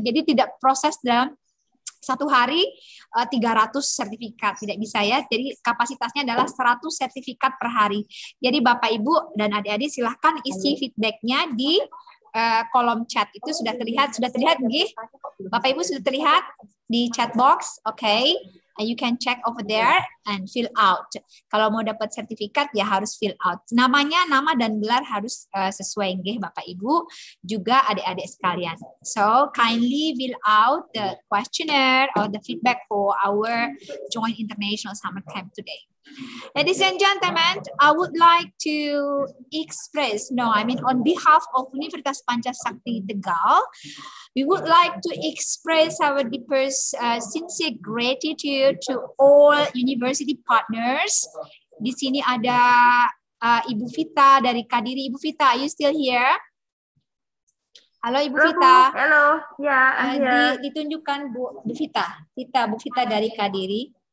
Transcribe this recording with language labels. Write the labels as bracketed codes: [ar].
[id] Jadi tidak proses dalam satu hari 300 sertifikat, tidak bisa ya. Jadi kapasitasnya adalah 100 sertifikat per hari. Jadi Bapak Ibu dan adik-adik silahkan isi feedbacknya di kolom chat. Itu sudah terlihat, sudah terlihat nggih. Bapak Ibu sudah terlihat di chat box. [en] Okay. And you can check over there and fill out. [id] Kalau mau dapat sertifikat ya harus [en] fill out. [id] Namanya, nama dan gelar harus sesuai nggih Bapak Ibu, juga adik-adik sekalian. [en] So kindly fill out the questionnaire or the feedback for our joint international summer camp today. Ladies and gentlemen, I would like to express, on behalf of Universitas Pancasakti Tegal, we would like to express our deepest sincere gratitude to all university partners. [id] Di sini ada Ibu Vita dari Kadiri. [en] Ibu Vita, are you still here? [id] Halo Ibu Vita. [en] Hello. Yeah, I'm here. [id] Ditunjukkan Bu Vita. Vita, Bu Vita dari Kadiri.